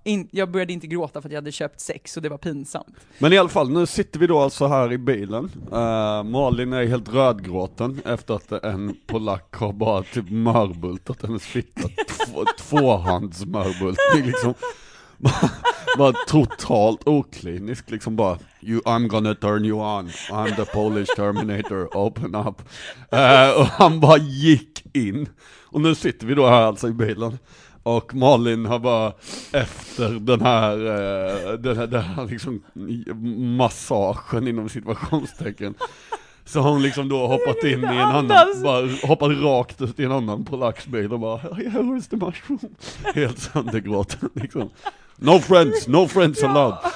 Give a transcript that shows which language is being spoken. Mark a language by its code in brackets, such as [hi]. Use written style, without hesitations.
[sv] Jag började inte gråta för att jag hade köpt sex och det var pinsamt. Men i alla fall, nu sitter vi då alltså här i bilen. Malin är helt rödgråten efter att en polack har bara typ mörbultat hennes fitta, tvåhandsmörbultning liksom. Var totalt oklinisk liksom, bara [en] I'm gonna turn you on, I'm the Polish Terminator, open up. [sv] Och han bara gick in, och nu sitter vi då här alltså i bilen, och Malin har bara efter den här liksom massagen inom situationstecken, så hon liksom då hoppat in i en annan, bara hoppat rakt ut i en annan polaxbil och bara hur [en] is the mushroom, [sv] helt söndergråten liksom. [en] No friends allowed.